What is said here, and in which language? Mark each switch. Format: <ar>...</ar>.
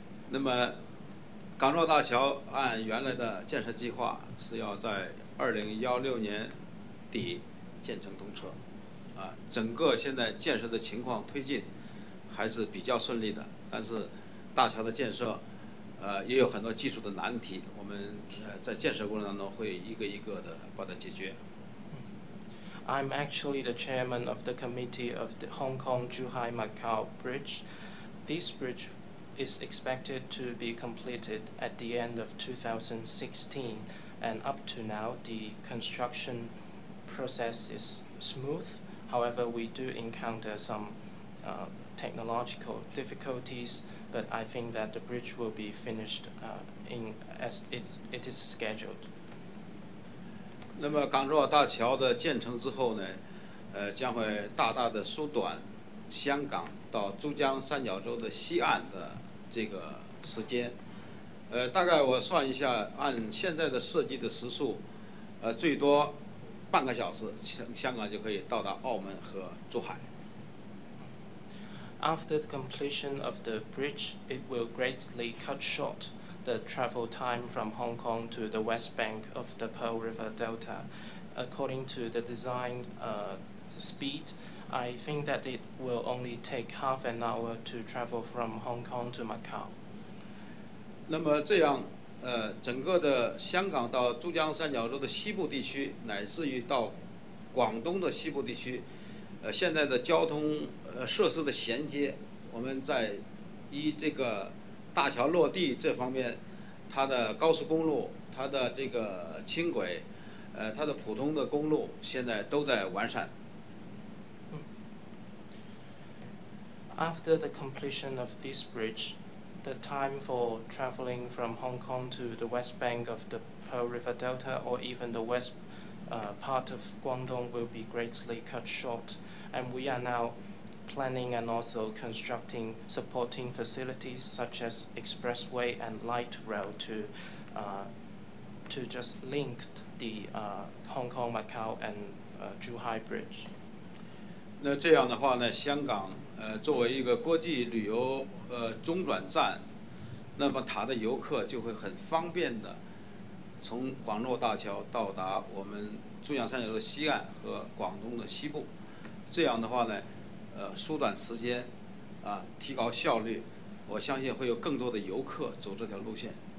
<zh>那么，港珠澳大桥按原来的建设计划是要在2016年底建成通车，啊，整个现在建设的情况推进还是比较顺利的，但是大桥的建设，也有很多技术的难题，我们在建设过程当中会一个一个的把它解决。</zh> <en>I'm actually the chairman of the committee of the Hong Kong Zhuhai Macau Bridge. This bridge. Is expected to be completed at the end of 2016, and up to now the construction process is smooth. However, we do encounter some technological difficulties, but I think that the bridge will be finished as it is scheduled.</en> <zh>那么港珠澳大桥的建成之后呢，将会大大的缩短香港到珠江三角洲的西岸的。这个时间，大概我算一下，按现在的设计的时速，最多半个小时，香港就可以到达澳门和珠海。</zh> <en>After the completion of the bridge, it will greatly cut short the travel time from Hong Kong to the west bank of the Pearl River Delta. According to the design, speed. I think that it will only take half an hour to travel from Hong Kong to Macau.</en> <zh>那么这样，整个的香港到珠江三角洲的西部地区，乃至于到广东的西部地区，现在的交通设施的衔接，我们在依这个大桥落地这方面，它的高速公路、它的这个轻轨、它的普通的公路，现在都在完善。</zh> <en>After the completion of this bridge, the time for traveling from Hong Kong to the west bank of the Pearl River Delta or even the west part of Guangdong will be greatly cut short. And we are now planning and also constructing supporting facilities such as expressway and light rail to just link the Hong Kong, Macau and Zhuhai Bridge.</en> <zh>那这样的话呢，香港作为一个国际旅游中转站，那么它的游客就会很方便的从广珠澳大桥到达我们珠江三角洲的西岸和广东的西部，这样的话呢，缩短时间，提高效率，我相信会有更多的游客走这条路线。</zh>